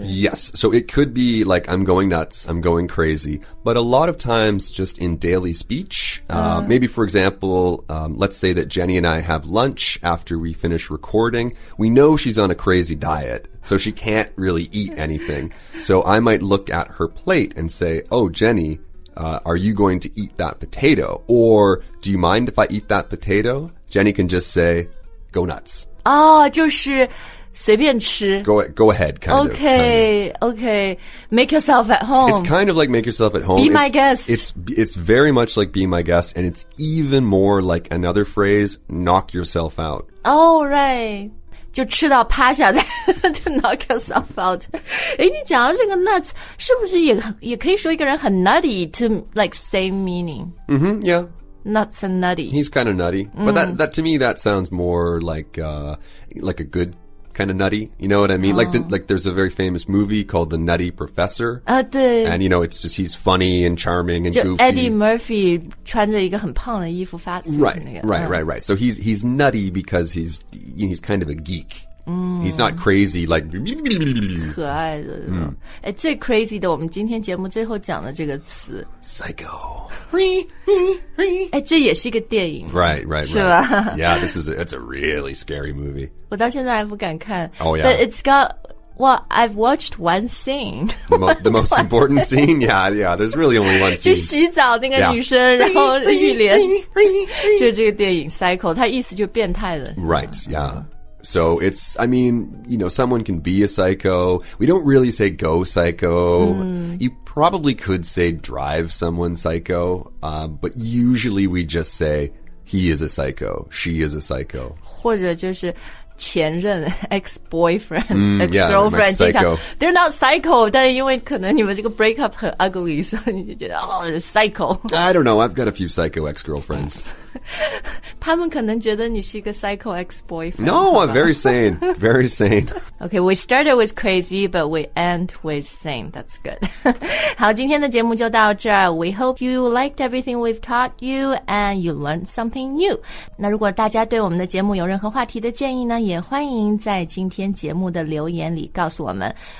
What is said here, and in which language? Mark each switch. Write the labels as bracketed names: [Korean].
[English] Yes, so it could be like I'm going nuts, I'm going crazy. But a lot of times just in daily speech,、maybe for example,、let's say that Jenny and I have lunch after we finish recording. We know she's on a crazy diet. So she can't really eat anything. So I might look at her plate and say, oh, Jenny,、are you going to eat that potato? Or do you mind if I eat that potato? Jenny can just say, go nuts. [Chinese] Oh, 就是随便吃 [English] go ahead, kind of. Okay, okay. Make yourself at home. It's kind of like make yourself at home. Be my guest. It's very much like be my guest. And it's even more like another phrase, knock yourself out. Oh, right. [Chinese] 就吃到趴下在就 [English] knock yourself out. [Chinese] 诶你讲到这个 nuts, 是不是也可以说一个人很 nutty [English] to like same meaning? Mm-hmm, yeah. Nuts and nutty. He's kind of nutty.、But that to me, that sounds more like a good kind of nutty. You know what I mean?、Like there's a very famous movie called The Nutty Professor. [Chinese] 啊、对。 [English] And you know, it's just he's funny and charming and goofy. [Chinese] Eddie Murphy 穿着一个很胖的衣服发 [English] Right. So he's nutty because he's... He's kind of a geek.、He's not crazy, like... [Chinese] 可爱的、最 crazy 的我们今天节目最后讲的这个词 [English] Psycho. [Chinese] 这也是一个电影 [English] Right. [Chinese] 是吧 [English] Yeah, it's a really scary movie. [Chinese] 我到现在还不敢看 [English] Oh yeah. But it's got... Well, I've watched one scene. The most important scene? Yeah. There's really only one scene. [Chinese] 就洗澡那个女生、然后浴帘就这个电影 Psycho 它意思就变态了 [English] Right, yeah. So it's, I mean, you know, someone can be a psycho. We don't really say go psycho.、You probably could say drive someone psycho.、but usually we just say he is a psycho. She is a psycho. [Chinese] 或者就是前任 ex-boyfriend ex-girlfriend [English] they're not psycho [Chinese] 但因为可能你们这个 breakup 很 ugly 所以你就觉得 psycho [English] I don't know I've got a few psycho ex-girlfriends [Chinese] 他们可能觉得你是一个 psycho ex-boyfriend [English] No I'm very sane very sane Okay we started with crazy but we end with sane that's good [Chinese] 好今天的节目就到这儿 [English] we hope you liked everything we've taught you and you learned something new [Chinese] 那如果大家对我们的节目有任何话题的建议呢也欢迎在今天节目的留言里告诉我们